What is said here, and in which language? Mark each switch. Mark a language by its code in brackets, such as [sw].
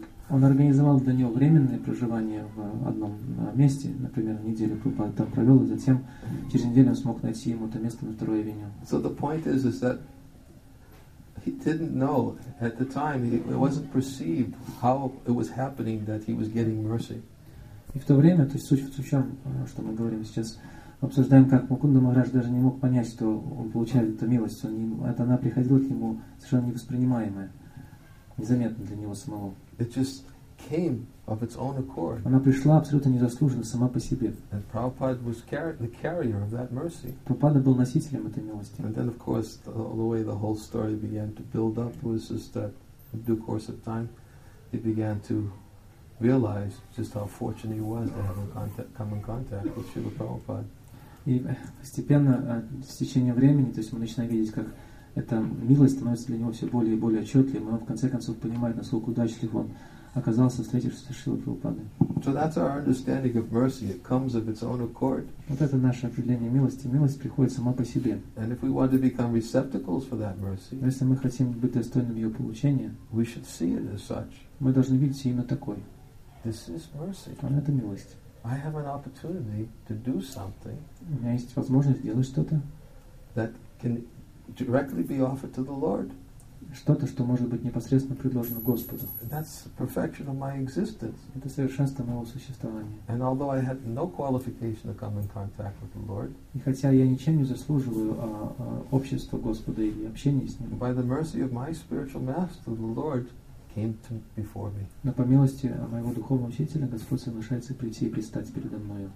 [ru] Он организовал для него временное проживание в одном месте, например, неделю Прабхупада там провел, и затем через неделю он смог найти ему это место на второй авеню. [en] So the point is that he didn't know at the time, it wasn't perceived how it was happening that he was getting mercy. [ru] И в то время, то есть суть в чем, что мы говорим сейчас, обсуждаем, как Мукунда Махарадж даже не мог понять, что он получает эту милость. Она приходила к нему совершенно невоспринимаемая, незаметно для него самого. [en] It just came of its own accord. [ru] Она пришла абсолютно незаслуженно, сама по себе. [en] And Prabhupada was the carrier of that mercy. [ru] Прабхупада был носителем этой милости. [en] And then, of course, the way the whole story began to build up was just that in due course of time, he began to realize just how fortunate he was to have come in contact with Srila Prabhupada. [ru] И постепенно, с течением времени, то есть мы начинаем видеть, как эта милость становится для него все более и более отчетливой, но он в конце концов понимает, насколько удачлив он оказался, встретившись с Шрилой Прабхупадой. [en] So that's our understanding of mercy. It comes of its own accord. [ru] Вот это наше определение милости. Милость приходит сама по себе. [en] And if we want to become receptacles for that mercy, [ru] если мы хотим быть достойным ее получения, [en] we should see it as such. [ru] Мы должны видеть ее именно такой. [en] This is mercy. [ru] Это милость. [en] I have an opportunity to do something. [ru] У меня есть возможность сделать что-то. [en] That can directly be offered to the Lord. [ru] Что-то, что может быть непосредственно предложено Господу. [en] That's the perfection of my existence. [ru] Это совершенство моего существования. [en] And although I had no qualification to come in contact with the Lord, [ru] и хотя я ничем не заслуживаю общества Господа или общения с Ним, [en] by the mercy of my spiritual master, the Lord came to before me. [ru] Но по милости моего духовного учителя Господь соглашается прийти и предстать передо мною.